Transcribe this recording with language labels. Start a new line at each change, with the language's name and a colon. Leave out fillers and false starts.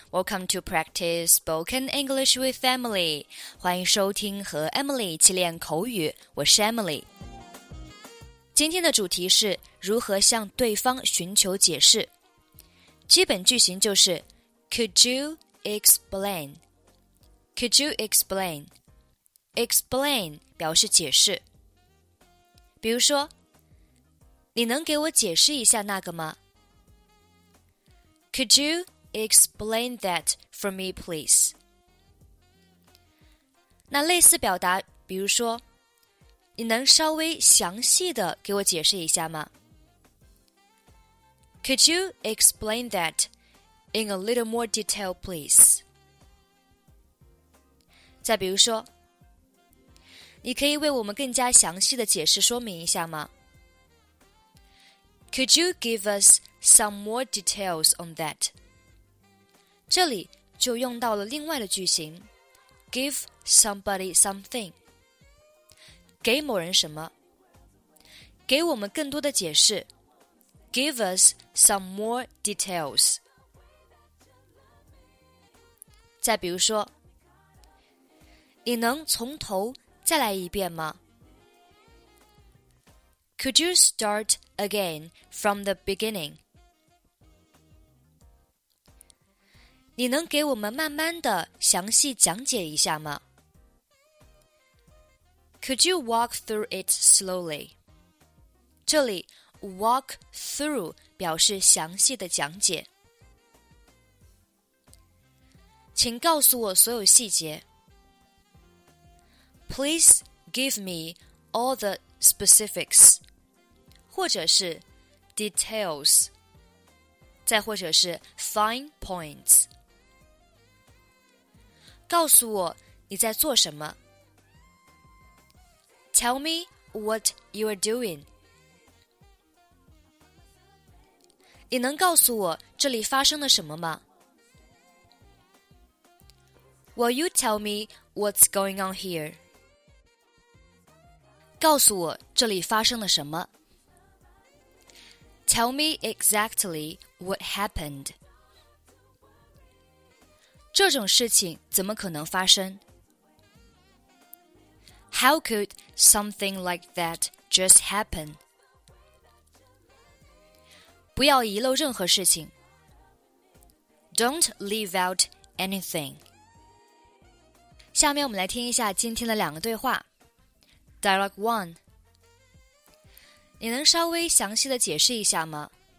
English: Welcome to Practice Spoken English with Emily.
Chinese: 欢迎收听和 Emily 一起练口语，我是 Emily。今天的主题是如何向对方寻求解释。基本句型就是
English: Could you explain? Could you explain?
Chinese: Explain 表示解释。比如说，你能给我解释一下那个吗？
English: Could you explain that for me, please?
Chinese: 那类似表达，比如说，你能稍微详细的给我解释一下吗？
English: Could you explain that in a little more detail, please?
Chinese: 再比如说，你可以为我们更加详细的解释说明一下吗？
English: Could you give us some more details on that?
Chinese: 这里就用到了另外的句型
English: Give somebody something.
Chinese: 给某人什么？给我们更多的解释。
English: Give us some more details.
Chinese: 再比如说，你能从头再来一遍吗？
English: Could you start again from the beginning?
Chinese: 你能给我们慢慢的详细讲解一下吗？
English: Could you walk through it slowly?
Chinese: 这里 walk through 表示详细的讲解。请告诉我所有细节。
English: Please give me all the specifics,
Chinese: 或者是
English: details,
Chinese: 再或者是
English: fine points.
Chinese: 告诉我你在做什么。
English: Tell me what you are doing.
Chinese: 你能告诉我这里发生了什么吗？
English: Will you tell me what's going on here?
Chinese: 告诉我这里发生了什么。
English: Tell me exactly what happened.
Chinese: 这种事情怎么可能发生？
English: How could something like that just happen?
Chinese: 不要遗漏任何事情。
English: Don't leave out anything.
Chinese: 下面我们来听一下今天的两个对话。
English: Dialogue 1.
Chinese: 你能稍微详细的解释一下吗？